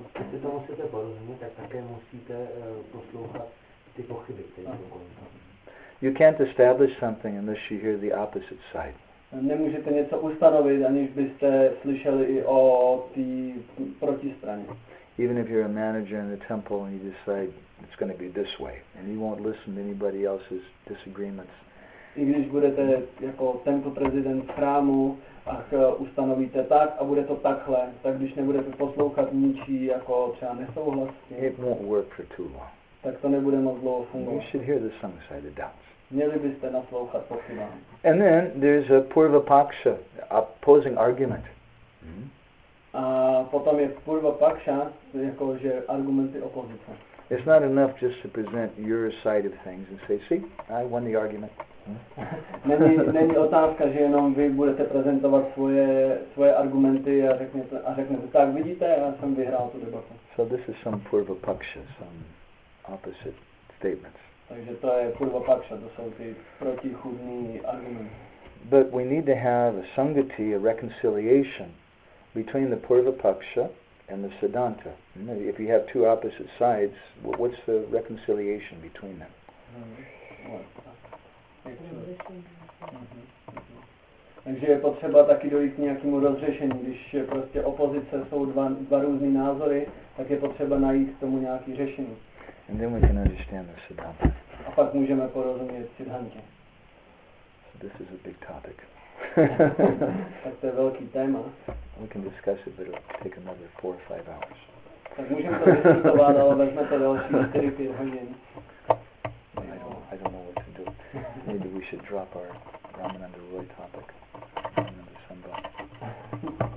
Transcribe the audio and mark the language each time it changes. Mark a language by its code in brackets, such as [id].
[cs] Když to musíte porozumět, tak také musíte poslouchat ty pochyby, které jsou kolem. [en] You can't establish something unless you hear the opposite side. [cs] Nemůžete něco ustanovit, aniž byste slyšeli i o té protistraně. [en] Even if you're a manager in the temple and you decide it's going to be this way, and you won't listen to anybody else's disagreements. [cs] I když budete jako tento prezident v chrámu, ach, ustanovíte tak a bude to takhle, tak když nebudete poslouchat ničí jako třeba nesouhlas, [en] it won't work for too long. [cs] Tak to nebude moc dlouho fungovat. [en] You should hear the Sangsai, the doubts. [cs] Měli byste naslouchat pochybám. [en] And then there's a Purvapaksha, opposing argument. [cs] A potom je Purvapaksha, jakože argumenty opozice. [en] It's not enough just to present your side of things and say, see, I won the argument. [cs] Není otázka, že jenom vy budete prezentovat svoje argumenty a řeknete, tak vidíte, já jsem vyhrál tu debatu. [en] So this is some Purvapaksha, some opposite statements. [cs] Takže to je Purvapaksha, to jsou ty protichudný argumenty. [en] But we need to have a sangati, a reconciliation between the Purvapaksha and the Siddhanta. If you have two opposite sides, what's the reconciliation between them? [cs] Takže je potřeba taky dojít k nějakému rozřešení. Když prostě opozice jsou dva různý názory, tak je potřeba najít k tomu nějaký řešení. [en] And then we can understand the Siddhanta. [cs] A pak můžeme porozumět Siddhantě. [en] So this is a big topic. [cs] Tak to je velký téma. [en] We can discuss it, but it'll take another 4 or 5 hours. [cs] Tak můžeme to diskutovat, ale vezme to další 4-5 hodin. [en] I don't know what to do. Maybe we should drop our Ramananda Roy topic. Ramananda Sambha.